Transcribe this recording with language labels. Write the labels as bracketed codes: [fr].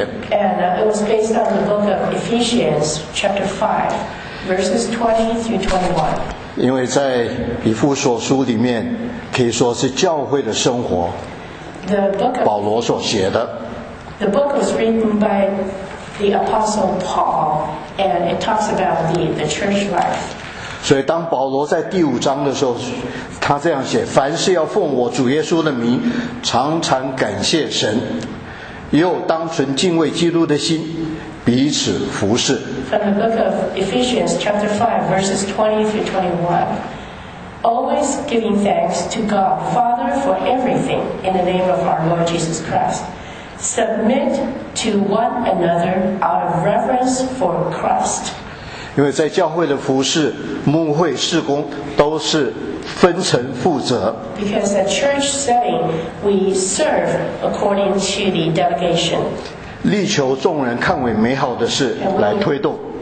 [en] And it was based on the book of Ephesians, chapter 5, verses 20-21. [zh] 因为在以弗所书里面可以说是教会的生活，保罗所写的。 [en] The book was written by the Apostle Paul, and it talks about the church life. [zh] 所以当保罗在第五章的时候，他这样写，凡事要奉我主耶稣的名常常感谢神，又当存敬畏基督的心彼此服侍。 [en] From the book of Ephesians chapter 5 verses 20-21, always giving thanks to God Father for everything in the name of our Lord Jesus Christ, submit to one another out of reverence for Christ. [zh] 因为在教会的服事、牧会、事工都是分层负责。 [en] Because at church setting, we serve according to the delegation. [zh] 力求众人看为美好的事来推动。